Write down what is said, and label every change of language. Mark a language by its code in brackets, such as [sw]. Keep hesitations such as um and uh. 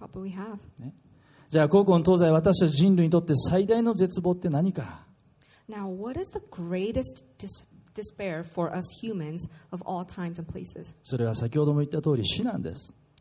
[ja] ねじゃあ、高校の東西、私たち人類にとって最大の絶望って何か [en] Now, what is the greatest despair for us humans of all times and places? [ja] それは先ほども言った通り死なんです。